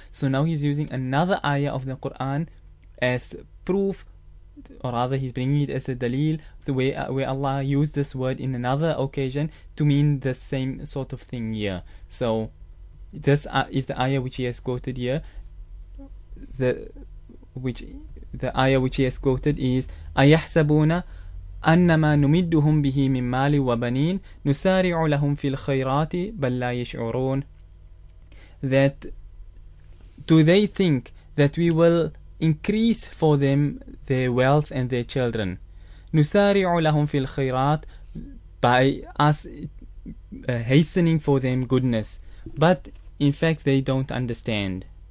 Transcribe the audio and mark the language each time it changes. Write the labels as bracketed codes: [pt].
[en] So now he's using another ayah of the Quran as proof, or rather he's bringing it as a dalil, the way where Allah used this word in another occasion to mean the same sort of thing here. So this is the ayah which he has quoted here. The ayah which he has quoted is [ar] أَيَحْسَبُونَ أنما نمدهم به من مال وبنين نسارع لهم في الخيرات بل لا يشعرون. [en] That do they think that we will increase for them their wealth and their children? [ar] نسارع لهم في الخيرات, [en] by us hastening for them goodness. But in fact they don't understand.